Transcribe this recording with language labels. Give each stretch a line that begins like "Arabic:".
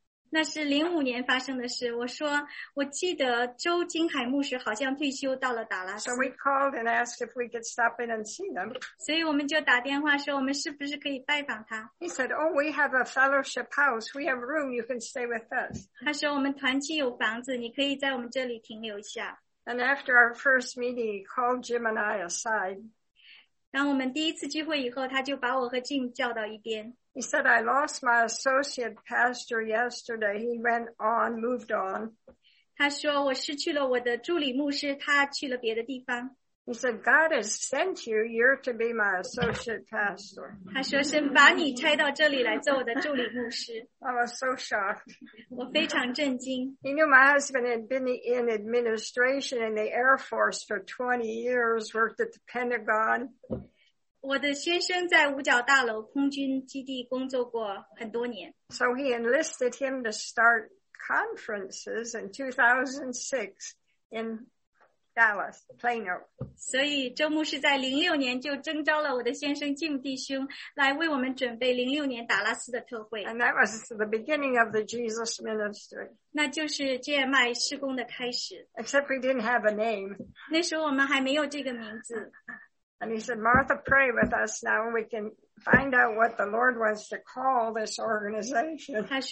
Chinese: 那是05年发生的事。我说，我记得周金海牧师好像退休到了达拉斯。
English: So we called and asked if we could stop in and see them.
Chinese: 所以我们就打电话说，我们是不是可以拜访他。
English: He said, "Oh, we have a fellowship house. We have room. You can stay with us."
Chinese: 他说，我们团契有房子，你可以在我们这里停留一下。
English: And after our first meeting, he called Jim and I aside.
Chinese: 当我们第一次聚会以后，他就把我和静叫到一边。
English: He said, "I lost my associate pastor yesterday. He went on, moved on."
Chinese: 他说，我失去了我的助理牧师，他去了别的地方。
English: He said, God has sent you, you're to be my associate pastor.
Chinese: 他说神把你差到这里来做我的助理牧师。
English: I was so shocked.
Chinese: 我非常震惊。
English: He knew my husband had been in administration in the Air Force for 20 years, worked at the Pentagon.
Chinese: 我的先生在五角大楼空军基地工作过很多年。
English: So he enlisted him to start conferences in 2006 in Dallas, Plano.
Chinese: 所以周牧师在06年就征召了我的先生Jim弟兄来为我们准备06年达拉斯的特会。
English: And that was the beginning of the Jesus ministry.
Chinese: 那就是GMI事工的开始。
English: Except we didn't have a name.
Chinese: 那时候我们还没有这个名字。
English: And he said, Martha, pray with us now and we can find out what the Lord wants to call this organization.